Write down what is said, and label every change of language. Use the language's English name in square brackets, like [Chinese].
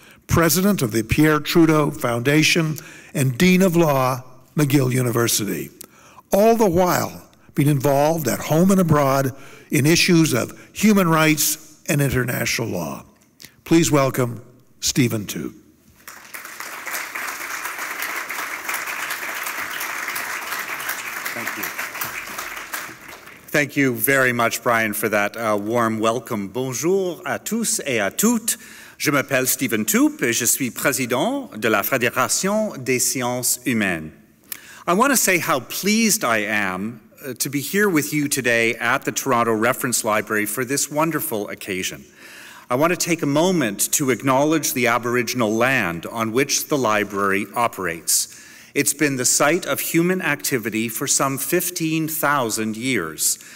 [English] President of the Pierre Trudeau Foundation and Dean of Law, McGill University, all the while being involved at home and abroad in issues of human rights and international law. Please welcome Stephen Toop. Thank you very much, Brian, for that warm welcome. [French] Bonjour à tous et à toutes. Je m'appelle Stephen Toop et je suis président de la Fédération des sciences humaines. [English] I want to say how pleased I am to be here with you today at the Toronto Reference Library for this wonderful occasion. I want to take a moment to acknowledge the Aboriginal land on which the library operates. It's been the site of human activity for some 15,000 years.